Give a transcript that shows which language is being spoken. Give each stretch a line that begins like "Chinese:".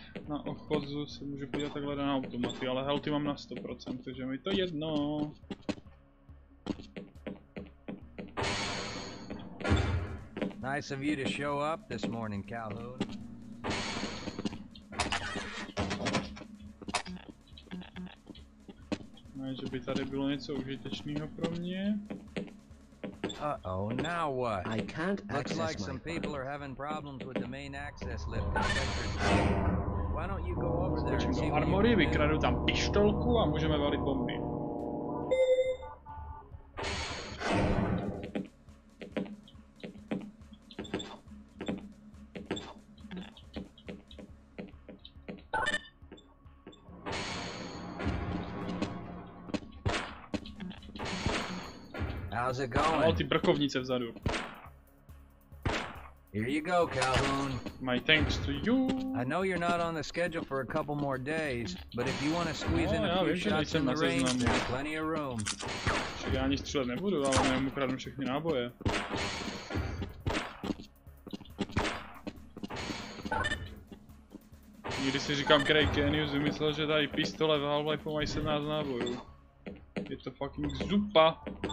Czech: na obchodzu se můžu podívat takhle na automaty, ale healthy mám na 100%, takže mi to jedno.
English: Nice of you to show up this morning, Calhoun.
Czech: Ne, že by tady bylo něco užitečného pro mě.
English: Uh-oh, now what? I can't access Looks like some people are having problems with the main access lift. Why don't you go over there and see what you can do?
Czech: Vykradu tam pištolku a můžeme valit bomby.
English: How's it going?
Czech: Oh, ty brkovnice vzadu.
English: Here you go, Calhoun. My thanks to you. I know you're not on the schedule for a couple more days, but if you want to squeeze in a few shots in the range, there's plenty of room.
Czech: Čili já ani střílet nebudu, ale nevím, ukradnu všechny náboje. Nikdy si říkám, Craig Kenius vymyslel, že tady pistole v Half-Life mají 17 nábojů. Je to fucking zupa.